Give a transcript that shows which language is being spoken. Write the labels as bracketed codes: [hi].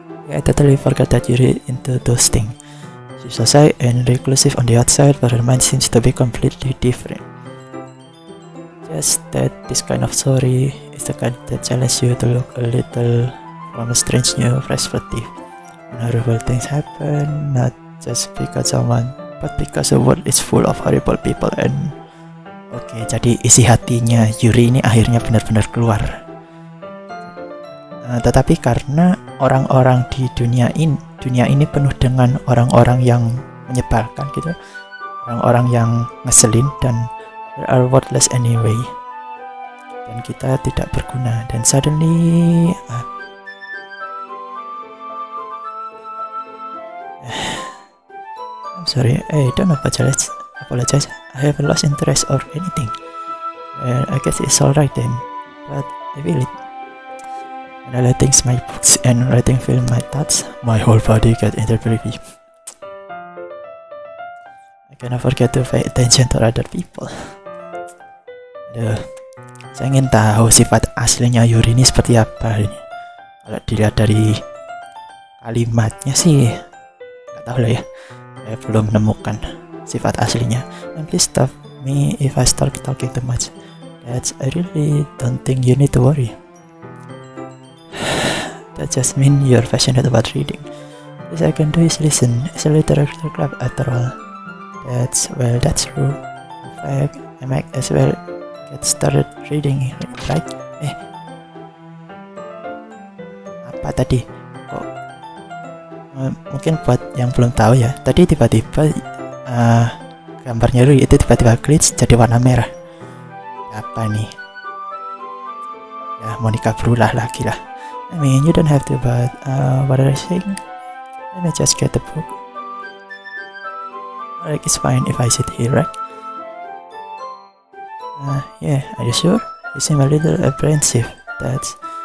[en] Yeah, I totally forgot that you're into those things. She's so shy and reclusive on the outside, but her mind seems to be completely different. Just that this kind of story is the kind that challenges you to look a little from a strange new perspective. And horrible things happen, not just because someone, but because the world is full of horrible people. And okay, [id] jadi isi hatinya Yuri ini akhirnya benar-benar keluar. Tetapi karena orang-orang di dunia ini penuh dengan orang-orang yang menyebalkan gitu, orang-orang yang ngeselin, dan [en] they are worthless anyway, [id] dan kita tidak berguna. [en] Dan suddenly, I'm sorry, don't apologize, I haven't lost interest or anything. Well, I guess it's alright then, but I feel it. When I let things, my books and writing fill my thoughts, my whole body gets interpreted. Gonna forget to pay attention to other people. [id] Aduh, saya ingin tahu sifat aslinya Yuri ini seperti apa ini. Kalau dilihat dari kalimatnya sih, nggak tahu lah ya. Saya belum menemukan sifat aslinya. [en] And please stop me if I start talking too much. That's, I really don't think you need to worry. That just mean you're passionate about reading. What I can do is listen. It's a literature club after all. That's, well, that's true. In fact, I might as well get started reading, right? [id] Apa tadi? Kok? Mungkin buat yang belum tahu ya, tadi tiba-tiba gambarnya Yuri itu tiba-tiba glitch jadi warna merah. Apa nih? Ya, Monica berulah lagi lah. [en] I mean, you don't have to, but what are you saying? Let me just get the book. Like, it's fine if I sit here, right? Yeah, are you sure? You seem a little apprehensive. That's...